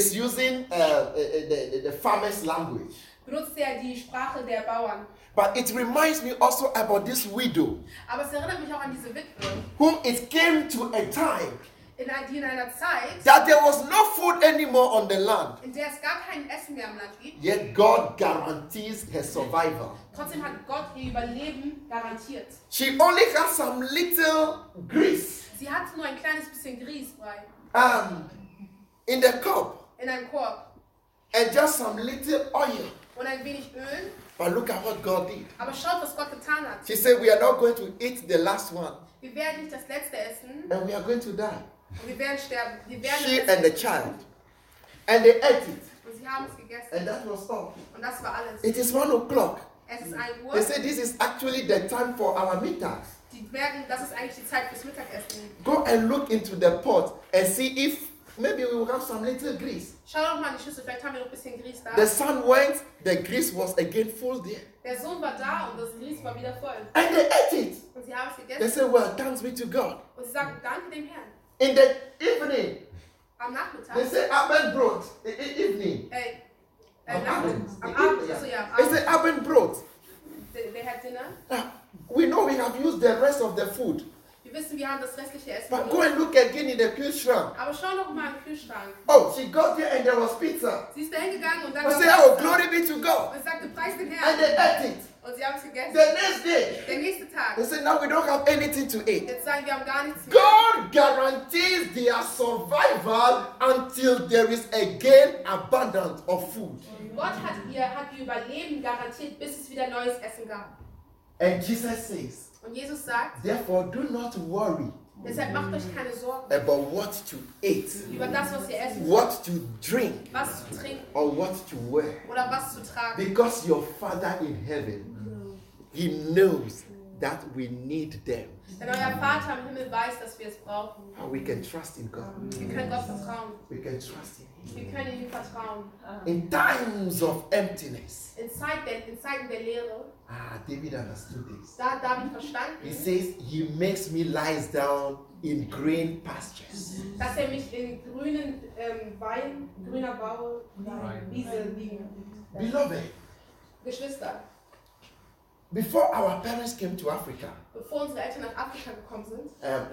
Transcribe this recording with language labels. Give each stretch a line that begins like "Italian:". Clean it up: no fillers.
English: he's using the farmer's language.
German: Benutzt er die Sprache der Bauern.
English: But it reminds me also about this widow.
German: Aber es erinnert mich auch an diese Witwe.
English: Who it came to a time
German: in einer Zeit,
English: that there was no food anymore on the land.
German: In der es gar kein Essen mehr am Land gibt.
English: Yet God guarantees her survival.
German: Trotzdem hat Gott ihr Überleben garantiert.
English: She only has some little grease.
German: Sie hatte nur ein kleines bisschen Grieß bei.
English: In the cup.
German: In einem Korb.
English: And just some little oil.
German: Und ein wenig Öl.
English: But look at what God did.
German: Aber schaut, was Gott getan hat.
English: She said, "We are not going to eat the last one."
German: Wir werden nicht das letzte essen.
English: And we are going to die.
German: Und wir werden sterben. Wir werden
English: she essen. And the child. And they ate it.
German: Und sie haben es gegessen.
English: And that was all.
German: Und das war alles.
English: It is 1 o'clock.
German: Es ist 1 Uhr.
English: They said this is actually the time for our mittag.
German: Die werden, das ist eigentlich die Zeit fürs Mittagessen.
English: Go and look into the pot and see if maybe we will have some little grease.
German: Schau doch mal in die Schüssel, vielleicht haben wir noch ein bisschen Grieß da.
English: The son went, the grease was again full there.
German: Der Sohn war da und das Grieß war wieder voll.
English: And they ate it.
German: Und sie haben es gegessen.
English: They said, well, thanks be to God.
German: Und sie sagten, danke dem Herrn.
English: In the evening,
German: am Nachmittag,
English: they say Abendbrot. In the evening, Abendbrot. They had dinner. We know we have used the rest of the food.
German: Wir wissen, wir haben das restliche Essen.
English: But go and look again in the Kühlschrank.
German: Aber schau noch mal im Kühlschrank.
English: Oh, she got there and there was pizza.
German: Sie ist dahin gegangen und dann.
English: We say, oh, glory be to God.
German: Und sagte, preis den Herrn.
English: And they ate it.
German: Und sie haben es gegessen.
English: The next day.
German: Der nächste Tag.
English: They said, now we don't have anything to eat.
German: Jetzt sagen wir, haben gar nichts mehr.
English: God guarantees their survival until there is again abundance of food.
German: Gott hat ihr Überleben garantiert, bis es wieder neues Essen gab.
English: And Jesus says.
German: Und Jesus sagt.
English: Therefore, do not worry.
German: Deshalb macht euch keine Sorgen.
English: About what to eat.
German: Über das, was ihr essen.
English: What to drink.
German: Was zu trinken.
English: Or what to wear.
German: Oder was zu tragen.
English: Because your Father in heaven, he knows that we need them.
German: Denn euer Vater im Himmel weiß, dass wir es brauchen.
English: And we can trust in God.
German: Wir können Gott vertrauen.
English: We can trust in.
German: Wir können ihm vertrauen.
English: In times of emptiness.
German: In Zeiten der Leere.
English: David understood this.
German: Da hat David verstanden.
English: He says, he makes me lie down in green pastures.
German: Dass er mich in grünen grüner Bau, Wiese liegen.
English: Beloved.
German: Geschwister.
English: Before our parents came to Africa.
German: Bevor unsere Eltern nach Afrika gekommen sind.